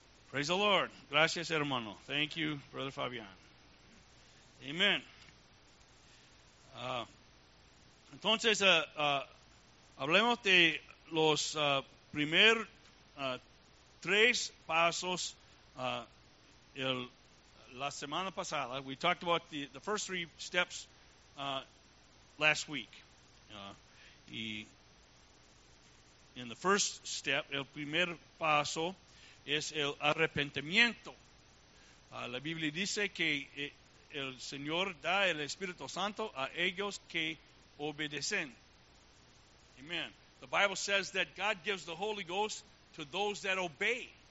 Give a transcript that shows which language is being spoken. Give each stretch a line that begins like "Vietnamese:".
English: Praise the Lord.
Spanish: Gracias, hermano.
English: Thank you, Brother Fabian. Amen.
Spanish: Entonces, hablemos de los primeros tres pasos la semana pasada.
English: We talked about the first three steps last week.
Spanish: Y
English: in the first step,
Spanish: el primer paso es el arrepentimiento. La Biblia dice que el Señor da el Espíritu Santo a ellos que obedecen.
English: Amen. The Bible says that God gives the Holy Ghost to those that obey.